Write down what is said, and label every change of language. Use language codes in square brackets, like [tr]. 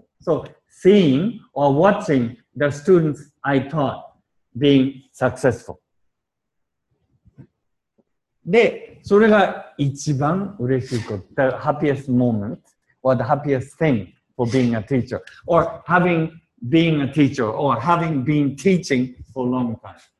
[en] So, seeing or watching the students I taught being successful. [ja] で、それが一番嬉しいこと。 [en] The happiest moment or the happiest thing for being a teacher or having been a teacher or having been teaching for a long time.